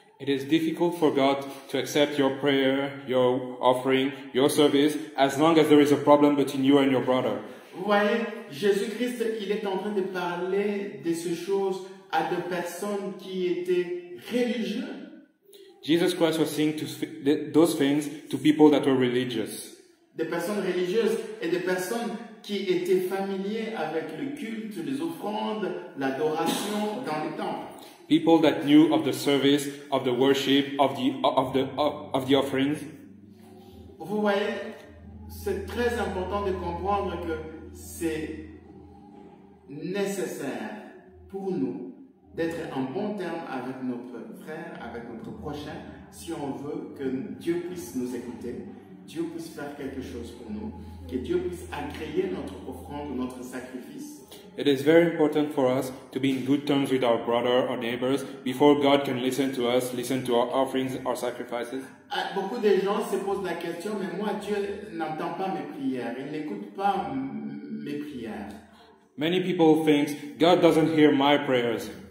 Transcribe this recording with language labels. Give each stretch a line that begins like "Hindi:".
English: It is difficult for God to accept your prayer, your offering, your service, as long as there is a problem between you and your brother.
French: Vous voyez, Jésus-Christ, il est en train de parler de ces choses à des personnes qui étaient religieuses.
English: Jesus Christ was saying those things to people that were religious.
French: Des personnes religieuses et des personnes qui étaient familières avec le culte, les offrandes, l'adoration dans les temples.
English: People that knew of the service, of the worship, of the offerings.
French: Vous voyez, c'est très important de comprendre que c'est nécessaire pour nous d'être en bon terme avec notre frère, avec notre prochain, si on veut que Dieu puisse nous écouter, Dieu puisse faire quelque chose pour nous, que Dieu puisse agréer notre offrande, notre sacrifice.
English: It is very important for us to be in good terms with our brother or neighbors before God can listen to us, listen to our offerings, our sacrifices.
French: Beaucoup de gens se posent la question, mais moi, Dieu n'entend pas mes prières, il n'écoute pas mes prières.
English: Many people think God doesn't hear my prayers.